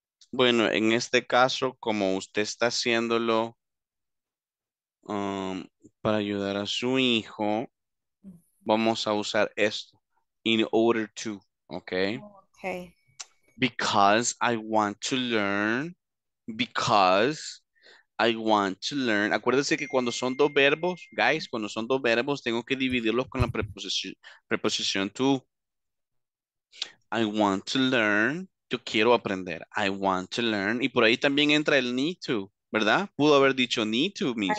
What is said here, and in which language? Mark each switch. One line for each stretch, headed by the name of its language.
Spanish: Bueno, en este caso, como usted está haciéndolo para ayudar a su hijo, vamos a usar esto, in order to, okay? Okay.
English: Because I want to learn, because I want to learn.
Spanish: Acuérdense que cuando son dos verbos, guys, cuando son dos verbos, tengo que dividirlos con la preposición to.
English: I want to learn.
Spanish: yo quiero aprender,
English: I want to learn,
Spanish: y por ahí también entra el need to, ¿verdad? Pudo haber dicho need to, miss.